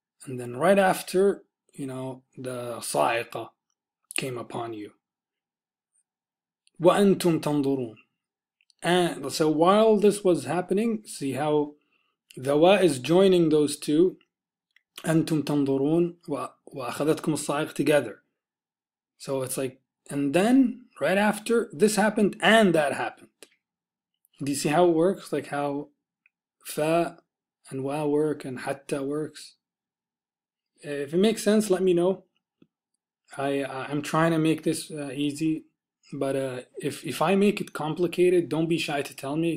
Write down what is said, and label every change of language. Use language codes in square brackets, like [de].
[en] And then right after, the صاعقة came upon you. [ar] وأنتم تنظرون. [en] And so while this was happening, see how the wa is joining those two. [ar] أنتم تنظرون وأخذتكم الصاعقة together. [en] So it's like, and then right after this happened and that happened. Do you see how it works? Like how fa and wa work and hatta works? If it makes sense, let me know. I'm trying to make this easy, but if I make it complicated, don't be shy to tell me.